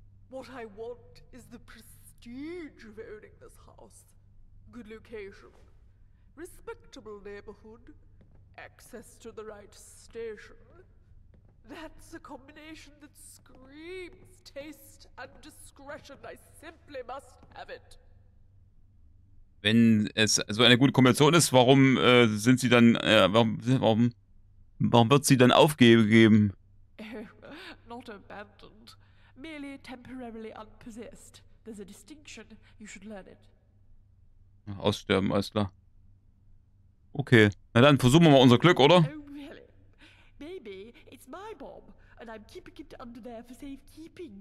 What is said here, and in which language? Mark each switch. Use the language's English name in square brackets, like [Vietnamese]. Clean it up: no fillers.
[English] What I want is the prestige of owning this house. Good location. Respectable neighborhood. Access to the right station. That's a combination that screams taste and discretion. I simply must have it. [German] Wenn es so eine gute Kombination ist, warum sind sie dann, warum wird sie dann aufgegeben? [English] Not abandoned. Merely temporarily unpossessed. There's a distinction. You should learn it. [German] Aussterben, alles klar. Okay. Na dann, versuchen wir mal unser Glück, oder? [English] Oh, really? Maybe it's my bomb. And I'm keeping it under there for safekeeping.